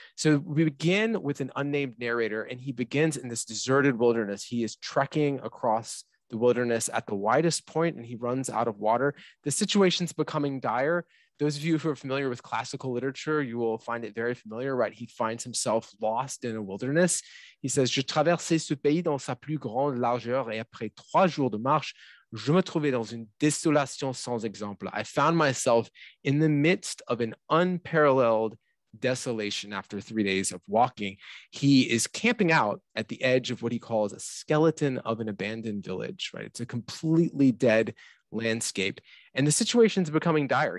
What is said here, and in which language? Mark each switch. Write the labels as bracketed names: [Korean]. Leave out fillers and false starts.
[English] So we begin with an unnamed narrator, and he begins in this deserted wilderness. He is trekking across the wilderness at the widest point, and he runs out of water. The situation's becoming dire. Those of you who are familiar with classical literature, you will find it very familiar, right? He finds himself lost in a wilderness. He says, [French] "Je traversais ce pays dans sa plus grande largeur et après trois jours de marche, je me trouvais dans une désolation sans exemple." [English] I found myself in the midst of an unparalleled desolation after 3 days of walking. He is camping out at the edge of what he calls a skeleton of an abandoned village, right? It's a completely dead landscape. And the situation's becoming dire.